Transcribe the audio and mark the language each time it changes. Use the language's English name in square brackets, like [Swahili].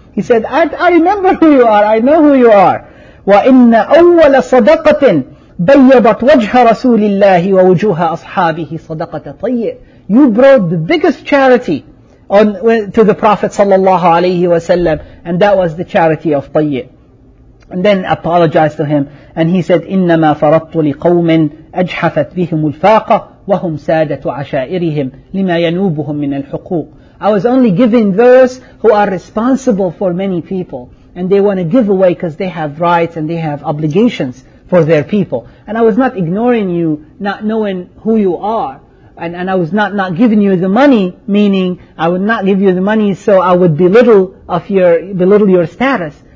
[English] He said, I remember who you are. I know who you are. [Arabic] وَإِنَّ أَوَّلَ صَدَقَةٍ بَيَّضَتْ وَجْهَ رَسُولِ اللَّهِ وَوُجُوهَ أَصْحَابِهِ صَدَقَةَ طَيِّئِ. [English] You brought the biggest charity to the Prophet sallallahu alayhi wa sallam, and that was the charity of طَيِّئِ. And then apologized to him, and he said, [Arabic] إِنَّمَا فَرَطْتُ لِقَوْمٍ أَجْحَفَتْ بِهِمُ الْفَاقَ وَهُمْ سَادَةُ عَشَائِرِهِمْ لِمَا يَنُوبُهُمْ مِنَ الْحُقُوقِ. [English] I was only giving those who are responsible for many people, and they want to give away because they have rights and they have obligations for their people. And I was not ignoring you, not knowing who you are. And I was not giving you the money, meaning I would not give you the money so I would belittle your status.